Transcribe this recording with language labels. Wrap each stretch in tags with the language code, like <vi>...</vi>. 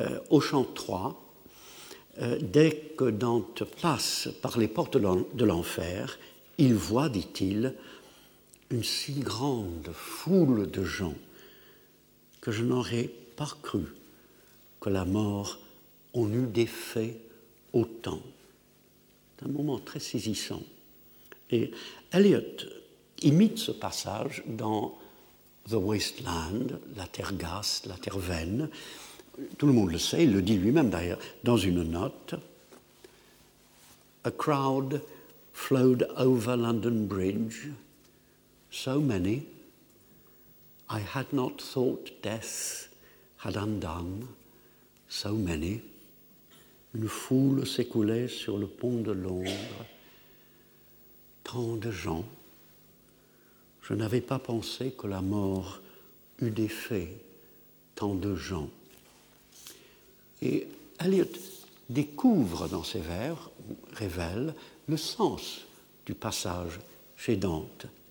<fr>Au chant 3, dès que Dante passe par les portes de l'enfer, il voit, dit-il, une si grande foule de gens que je n'aurais pas cru que la mort en eût défait autant. C'est un moment très saisissant. Et Eliot imite ce passage dans The Wasteland, la terre grasse, la terre vaine. Tout le monde le sait, il le dit lui-même d'ailleurs dans une note.</fr> <en>A crowd flowed over London Bridge, so many, I had not thought death had undone, so many.</en> <fr>Une foule s'écoulait sur le pont de Londres, tant de gens, je n'avais pas pensé que la mort eût défait tant de gens. Et Eliot découvre dans ses vers, révèle, le sens du passage chez Dante.</fr>